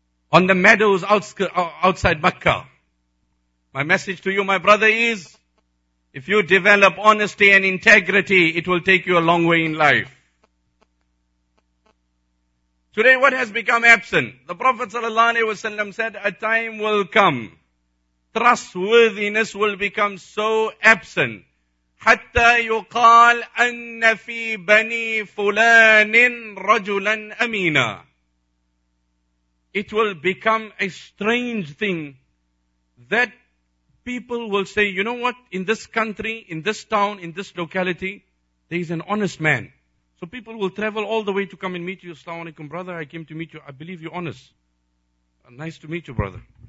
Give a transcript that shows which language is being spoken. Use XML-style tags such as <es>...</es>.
<en>On the meadows outside Makkah. My message to you, my brother, is if you develop honesty and integrity, it will take you a long way in life. Today, what has become absent? The Prophet sallallahu alaihi wasallam said, a time will come. Trustworthiness will become so absent.</en> <ar>حَتَّى يُقَالْ أَنَّ فِي بَنِي فُلَانٍ رَجُلًا أَمِينًا.</ar> <en>It will become a strange thing that people will say, you know what, in this country, in this town, in this locality, there is an honest man. So people will travel all the way to come and meet you. Assalamu alaikum, brother, I came to meet you. I believe you're honest. Nice to meet you, brother.</en>